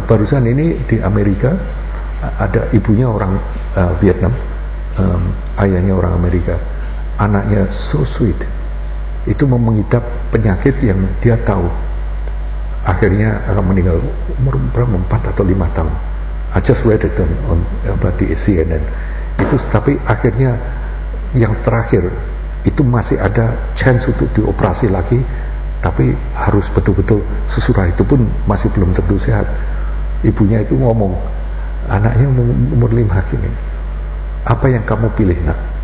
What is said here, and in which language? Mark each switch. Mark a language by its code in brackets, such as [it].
[id] Barusan ini di Amerika ada ibunya orang Vietnam, ayahnya orang Amerika. Anaknya [en] so sweet. [id] Itu mengidap penyakit yang dia tahu akhirnya akan meninggal umur berapa, 4 atau 5 tahun. [en] I just read it on about the CNN. [id] Itu tapi akhirnya yang terakhir itu masih ada chance untuk dioperasi lagi, tapi harus betul-betul sesudah itu pun masih belum tentu sehat. Ibunya itu ngomong, anaknya umur 5 ini, apa yang kamu pilih nak?